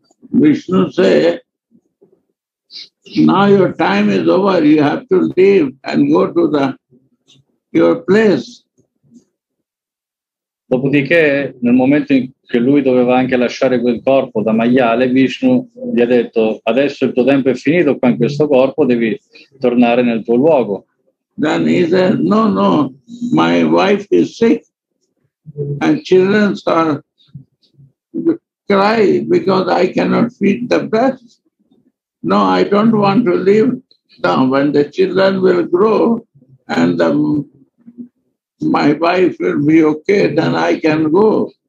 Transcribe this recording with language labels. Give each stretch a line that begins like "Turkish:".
English: Vishnu say, now your time is over, you have to leave and go to your place.
Italian: Dopodiché, nel momento in cui lui doveva anche lasciare quel corpo da maiale, Vishnu gli ha detto, adesso il tuo tempo è finito qua in questo corpo, devi tornare nel tuo luogo.
English: Then he said, no, my wife is sick and children are cry because I cannot feed the best. No, I don't want to leave now when the children will grow and my wife will be okay, then I can go.